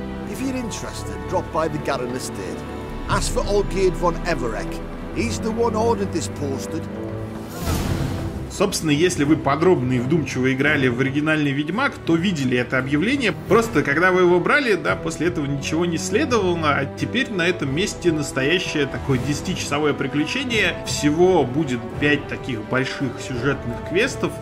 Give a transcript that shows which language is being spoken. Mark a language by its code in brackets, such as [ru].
[en] If you're interested, drop by the Garren estate. Ask for Ольгерд фон Эверик. He's the one ordered this posted. [ru] Собственно, если вы подробно и вдумчиво играли в оригинальный Ведьмак, то видели это объявление. Просто, когда вы его брали, да, после этого ничего не следовало, а теперь на этом месте настоящее такое 10-часовое приключение. Всего будет 5 таких больших сюжетных квестов.